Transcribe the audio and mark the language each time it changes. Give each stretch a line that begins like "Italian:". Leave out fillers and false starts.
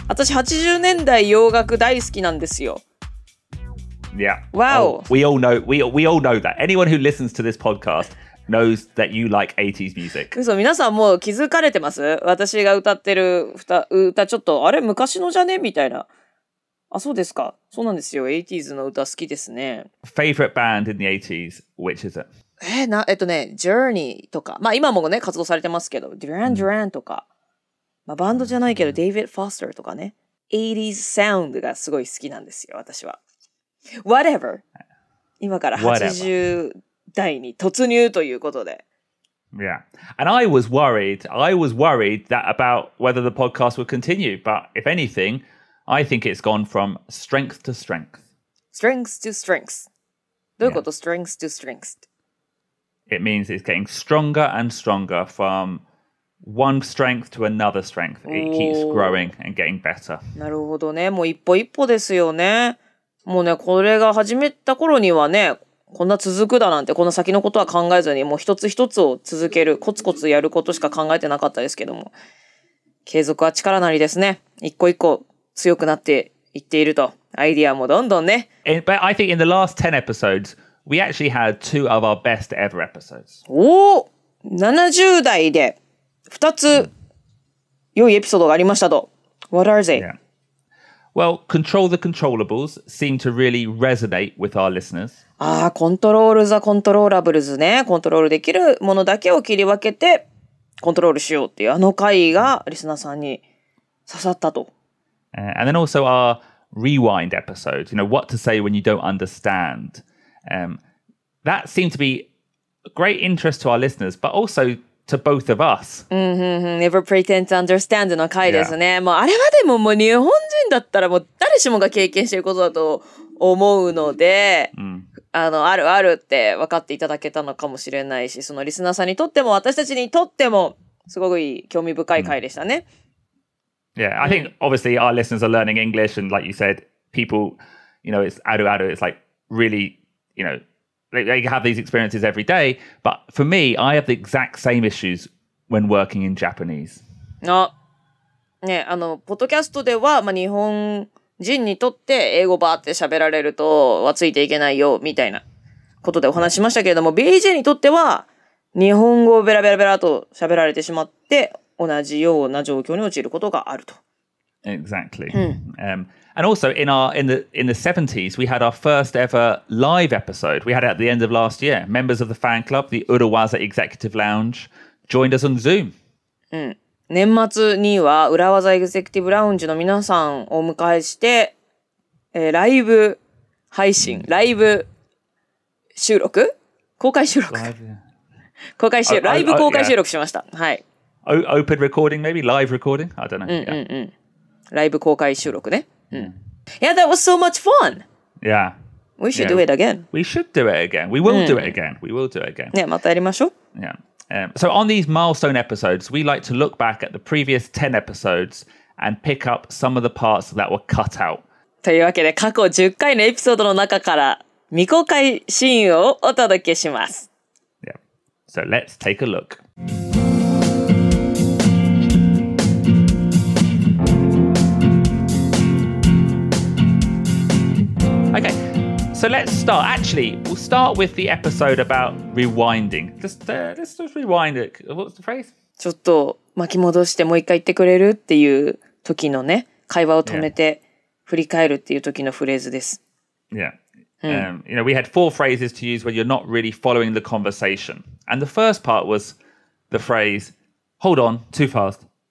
Japanese: 私80年代洋楽大好きなんですよ。
English: Yeah. Wow.、Oh, we all know that. Anyone who listens to this podcast knows that you like 80s music.
Japanese: そう、皆さんもう気づかれてます?私が歌ってる歌ちょっと、あれ昔のじゃね? みたいな。あ、そうですか。そうなんですよ。80s の歌好きですね。
English: Favorite band in the 80s, which is it?
Japanese: Journey とか。まあ今もね、活動されてますけど、Duran Duran とか。まあ、バンドじゃないけど、デイビッド・フォスターとかね。80s サウンドがすごい好きなんですよ、私は。
English: Whatever!
Japanese: 今から80代に突入ということで。
English: Yeah. And I was worried that about whether the podcast would continue. But if anything, I think it's gone from strength to strength. Strength to strength.
Japanese: どういうこと?
English: Strength to strength. It means it's getting stronger and stronger from... One strength to another strength. It keeps growing and getting better.
Japanese: なるほどね。もう一歩一歩ですよね。もうね、これが始めた頃にはね、こんな続くだなんて、この先のことは考えずに、もう一つ一つを続ける、コツコツやることしか考えてなかったですけども。継続は力なりですね。一個一個強くなっていっていると。アイディアもどんどんね。
English: But I think in the last 10 episodes, we actually had two of our best ever episodes.
Japanese: おお!70 代で。 2つ良いエピソードがありましたと。
English: What are they?、 Yeah. Well, Control the Controllables seem to really resonate with our listeners. ああ、Control the Controllables ね。
Japanese: コントロールできるものだけを切り分けてコントロールしようっていうあの回がリスナーさんに刺さったと。
English: And then also our Rewind episode. You know, what to say when you don't understand.、that seemed to be a great interest to our listeners, but also... To both of us. Never pretend to understand
Japanese: の回ですね。 Yeah. もうあれはでももう日本人だったらもう誰しもが経験していることだと思うので、あのあるあるって分かっていただけたのかもしれないし、そのリスナーさんにとっても私たちにとってもすごくいい興味深い回でしたね。
English: Yeah, I think obviously our listeners are learning English and like you said, people, you know, it's あるある, it's like really, you know,They have these experiences every day, but for me, I have the exact same issues when working in Japanese.
Japanese: あ、ね、あの、ポッドキャストでは、まあ、日本人にとって英語バーって喋られるとはついていけないよみたいなことでお話しましたけれども、BJ にとっては日本語をベラベラベラと喋られてしまって同じような状況に陥ることがあると。
English: Exactly. And also in the 70s, we had our first ever live episode. We had it at the end of last year. Members of the fan club, the Urawaza Executive Lounge, joined us on Zoom.
Japanese: 年末には Urawaza Executive Lounge の皆さんを迎えして、ライブ配信、ライブ収録、公開収録、公開収録、ライブ公開収録しました。はい。
English: Open recording, maybe live recording. I don't know.
Japanese: ライブ公開収録ね。
English: Yeah, that was so much fun. Yeah. We should do it again. We should do it again. We will do it again. We will do it again.
Japanese: ね、またやりましょう。
English: Yeah. So on these milestone episodes, we like to look back at the previous 10 episodes and pick up some of the parts that were cut out.
Japanese: というわけで、過去10回のエピソードの中から未公開シーンをお届けします。
English: Yeah. So let's take a look. Okay, so let's start. Actually, we'll start with the episode about rewinding. Let's just rewind it. What's the phrase?
Japanese: ちょっと巻き戻してもう一回言ってくれるっていう時のね、会話を止めて振り返るっていう時のフレーズです。
English: Yeah. You know, we had four phrases to use when you're not really following the conversation. And the first part was the phrase, hold on, too fast.